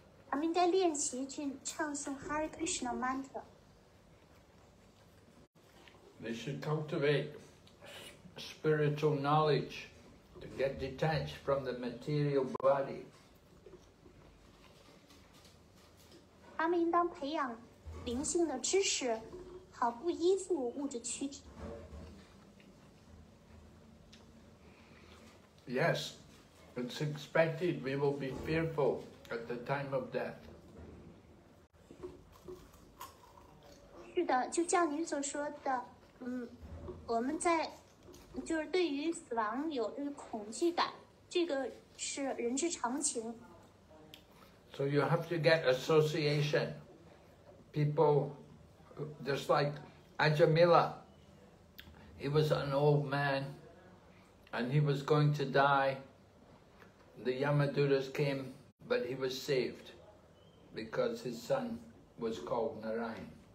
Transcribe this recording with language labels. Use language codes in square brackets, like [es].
[zh] 他们应该练习去唱诵 Hare Krishna mantra. [en] They should cultivate spiritual knowledge to get detached from the material body. [zh] 他们应当培养灵性的知识，好不依附物质躯体。 [en] Yes, it's expected we will be fearful at the time of death. [zh] 是的，就像您所说的，我们在就是对于死亡有这个恐惧感，这个是人之常情。 [en] So you have to get association. People, just like Ajamila, he was an old man and he was going to die. The Yamadutas came, but he was saved because his son was called Narayan.